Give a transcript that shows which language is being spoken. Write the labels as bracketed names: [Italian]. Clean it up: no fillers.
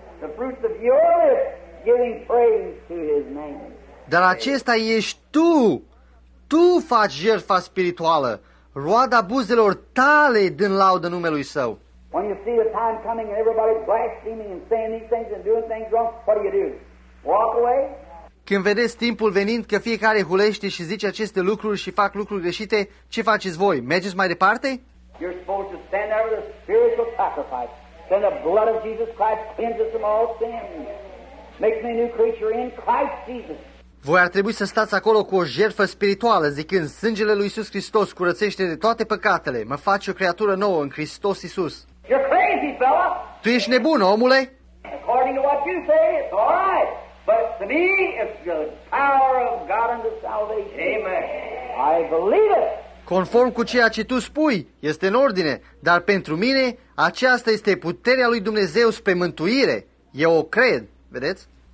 [English] The fruit of your lips giving praise to his name. [Romanian] Dar acesta ești tu. Tu faci jertfa spirituală, roada buzelor tale din laudă numelui său. [English] When you see the time coming and everybody blaspheming and saying these things and doing things wrong, what do you do? Walk away? [Romanian] Când vedeți timpul venind că fiecare hulește și zice aceste lucruri și fac lucruri greșite, ce faceți voi? Mergeți mai departe? [English] You're supposed to stand there with a spiritual sacrifice. Then the blood of Jesus Christ cleanses from all sin. Makes me a new creature in Christ Jesus. [Romanian] Voi ar trebui să stați acolo cu o jertfă spirituală, zicând, sângele lui Iisus Hristos curățește de toate păcatele, mă face o creatură nouă în Hristos Iisus. [English] You're crazy, fella. [Romanian] Tu ești nebun, omule? [English] According to what you say, it's all right. But to me, it's the power of God unto salvation. Amen. I believe it. [Romanian] Conform cu ceea ce tu spui, este în ordine, dar pentru mine, aceasta este puterea lui Dumnezeu spre mântuire. Eu o cred, vedeți?